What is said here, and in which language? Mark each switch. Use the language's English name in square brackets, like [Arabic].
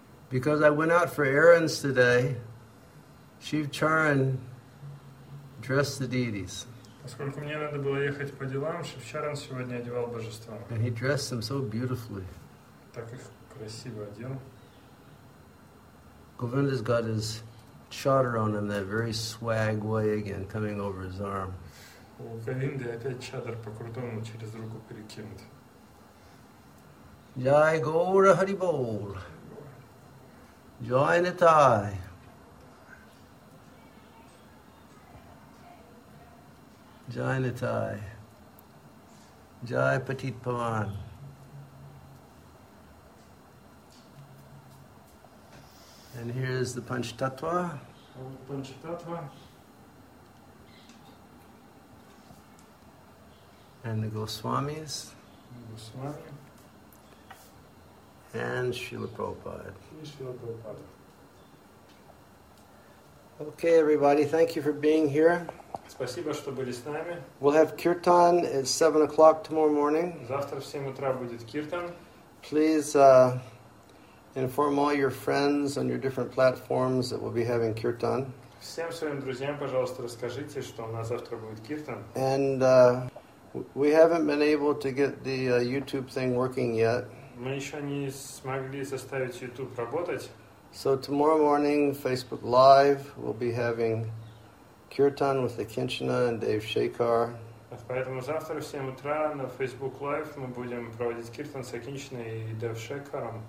[English] Because I went out for errands today, Shiv Charan dressed the deities. [Russian] Поскольку мне надо было ехать по делам, Шив Чаран сегодня одевал божества. [English] And he dressed them so beautifully. [Russian] Так их красиво одел. [English] Govinda's got his chador on in that very swag way again, coming over his arm. [Russian] У Говинды опять чадор по-крутому через руку перекинут. Jai Gaura Haribol. Jai Nitai. Jai Nitai, Jai Patit Pavan. [English] And here is the Panchatattva. Panchatattva. And the Goswamis. Goswami. And Srila Prabhupada. Srila Prabhupada. Okay, everybody, thank you for being here. [Russian] Спасибо, что были с нами. [English] We'll have kirtan at 7 o'clock tomorrow morning. [Russian] Завтра в 7 утра будет kirtan. [English] Please inform all your friends on your different platforms that we'll be having kirtan. [Russian] Всем своим друзьям, пожалуйста, расскажите, что у нас завтра будет kirtan. [English] And we haven't been able to get the YouTube thing working yet. [Russian] Мы еще не смогли заставить YouTube работать. [English] So tomorrow morning, Facebook Live, we'll be having kirtan with Akinchana and Dave Shekhar. [Russian] Поэтому завтра в 7 утра на Facebook Live мы будем проводить kirtan с Акинчиной и Дэв Шекаром.